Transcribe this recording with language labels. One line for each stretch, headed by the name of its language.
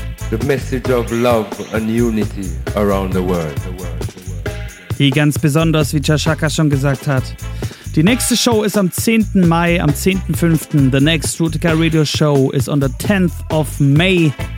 English: The message of love and unity around the world.
German: Die ganz besonders, wie Chashaka schon gesagt hat. Die nächste Show ist am 10. Mai, am 10.5.
English: The next Rootikal Radio Show is on the 10th of May.